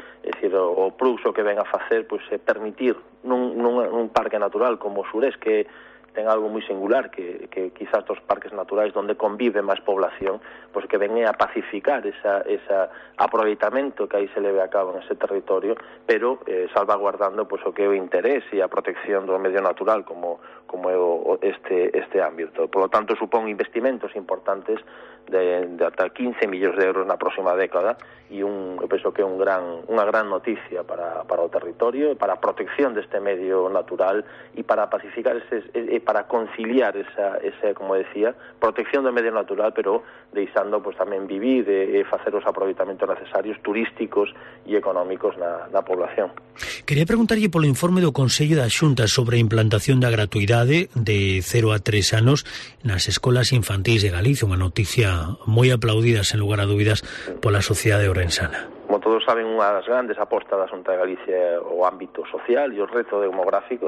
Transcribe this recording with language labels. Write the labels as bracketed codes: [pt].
[gl] É dicir, o plus o que ven a facer pues, é permitir nun parque natural como o Xurés, que ten algo moi singular, que quizás dos parques naturais onde convive máis población, pois que venga a pacificar esa aproveitamento que aí se leve a cabo en ese territorio, pero salvaguardando pois, o que é o interés e a protección do medio natural como é este ámbito. Por lo tanto, supón investimentos importantes de ata 15 millóns de euros na próxima década e eu penso que é unha gran noticia para o territorio, para a protección deste medio natural e para pacificar [es] para conciliar esa, como decía, protección del medio natural, pero deixando pues también vivir, de hacer los aprovechamientos necesarios turísticos y económicos na población. Quería preguntarle por el informe [gl] do Consello da Xunta sobre a implantación da gratuidade de 0 a 3 anos nas escolas infantis de Galicia, unha noticia moi aplaudida, sen lugar a dúbidas, pola sociedade ourensana. Como todos saben, unha das grandes apostas da Xunta de Galicia é o ámbito social e o reto demográfico.